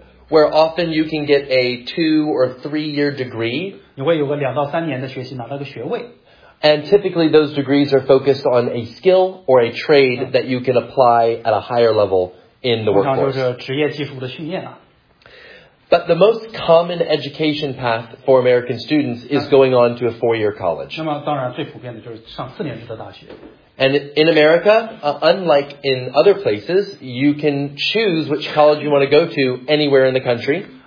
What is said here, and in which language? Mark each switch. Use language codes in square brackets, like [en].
[en] Where often you can get a 2 or 3 year degree. [zh] 你会有个2到3年的学习拿到个学位。 [en] And typically those degrees are focused on a skill or a trade that you can apply at a higher level in the workforce. [zh] 通常就是职业技术的训练啊。 [en] But the most common education path for American students is going on to a 4 year college. [zh] 那么当然最普遍的就是上4年制的大学。 [en] And in America, unlike in other places, you can choose which college you want to go to anywhere in the country.